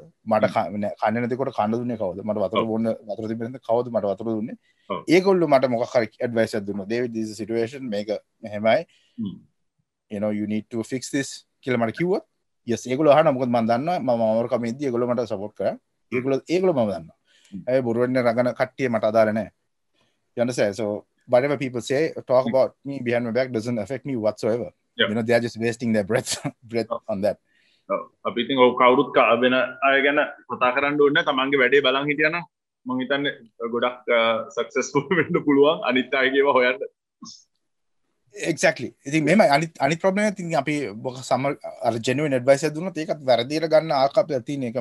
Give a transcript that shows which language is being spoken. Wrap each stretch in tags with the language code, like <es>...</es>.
<si>මට කන්ද නැතිකොට කන්ද දුන්නේ කවුද? මට වතුර බොන්න වතුර තිබෙන්න කවුද මට වතුර දුන්නේ? ඔව්. ඒගොල්ලෝ මට මොකක් හරි ඇඩ්වයිස් එකක් දුන්නා.</si> <en>David this is a situation</en> <si>මේක මෙහෙමයි.</si> <en>You know you need to fix this</en> <si>කියලා මට කිව්වා. Yes ඒගොල්ලෝ අහනවා මොකද මම දන්නවා මම අමාරු කම ඉදදී ඒගොල්ලෝ මට සපෝට් කරා. ඒගොල්ලෝ මම දන්නවා. ඒ බොරුවෙන් රගන කට්ටිය මට අදාළ නැහැ. යන්නසෑ.</si> <en>So whatever people say talk about me behind my back doesn't affect me whatsoever. Yeah. You know they are just wasting their breath on that.</en> <si>අපි ඉතින් ඔව් කවුරුත් වෙන අය ගැන කතා කරන්න ඕනේ නැහැ. තමන්ගේ වැඩේ බලන් හිටියා නම් මං හිතන්නේ ගොඩක් successful වෙන්න පුළුවන් අනිත් අයගේ ව හොයන්න.</si> <en>Exactly.</en> <si>ඉතින් මේ අනිත් problem එක ඉතින් අපි සම අර genuine advice එක දුන්නොත් ඒකත් වැරදියට ගන්න ආකප්ප තියෙන එක.</si>